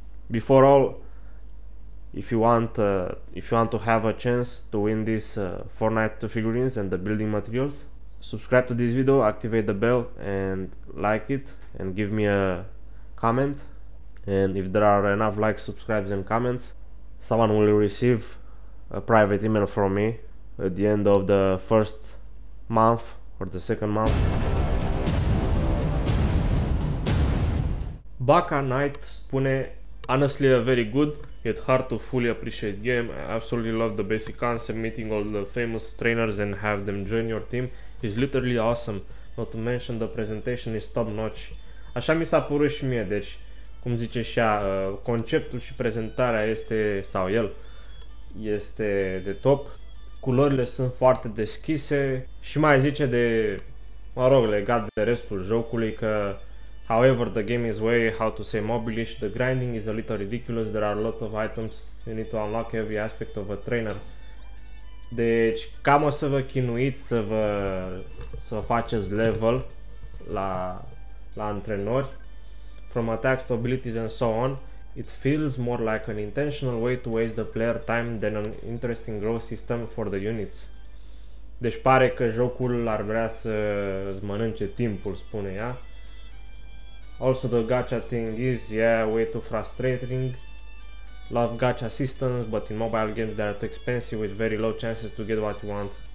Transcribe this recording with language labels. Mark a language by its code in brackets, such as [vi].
[en] Before all, If you want to have a chance to win this Fortnite 2 figurines and the building materials, subscribe to this video, activate the bell and like it and give me a comment. And if there are enough likes, subscribes and comments, someone will receive a private email from me at the end of the first month or the second month. Baka Knight spune, honestly a very good yet hard to fully appreciate game. I absolutely love the basic concept, meeting all the famous trainers and have them join your team is literally awesome. Not to mention the presentation is top notch. [ro] Așa mi s-a părut și mie, deci, cum zice și ea, conceptul și prezentarea este, sau el, este de top. Culorile sunt foarte deschise și mai zice de, mă rog, legat de restul jocului că [en] however, the game is way, how to say, mobile-ish. The grinding is a little ridiculous. There are lots of items. You need to unlock every aspect of a trainer. [ro] Deci, cam o să vă chinuiți să faceți level la antrenori. [en] From attacks to abilities and so on, it feels more like an intentional way to waste the player time than an interesting growth system for the units. [ro] Deci, pare că jocul ar vrea să-ți mănânce timpul, spune ea. [en] Also, the gacha thing is, yeah, way too frustrating. Love gacha systems, but in mobile games they are too expensive with very low chances to get what you want.